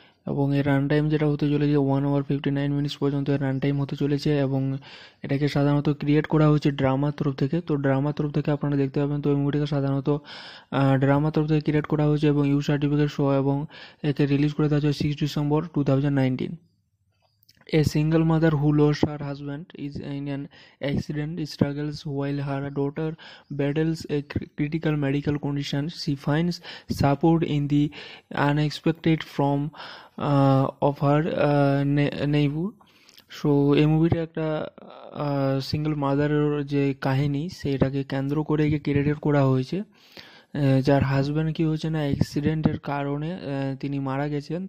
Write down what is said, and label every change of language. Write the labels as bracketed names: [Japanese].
[Bangla] এবং এর run time যেটা হতে চলেছে 1 hour 59 minutes পর্যন্ত এর রান টাইম হতে চলেছে। এবং এটাকে সাধারণত ক্রিয়েট করা হয়েছে ড্রামার তরফ থেকে, তো ড্রামার তরফ থেকে আপনারা দেখতে পাবেন। তো এই মুভিটাকে সাধারণত ড্রামার তরফ থেকে ক্রিয়েট করা হয়েছে এবং ইউ সার্টিফিকেট শো এবং একে রিলিজ করে দেওয়া হয়েছে 6 December 2019। [English] A single mother who lost her husband is in an accident struggles while her daughter battles a critical medical condition. She finds support in the unexpected from of her neighbor. [Bangla] So এই মুভিটা একটা single মাদারের যে কাহিনী সেটাকে কেন্দ্র করে create করা হয়েছে, যার হাজব্যান্ড কি হয়েছে না অ্যাক্সিডেন্টের কারণে তিনি মারা গেছেন।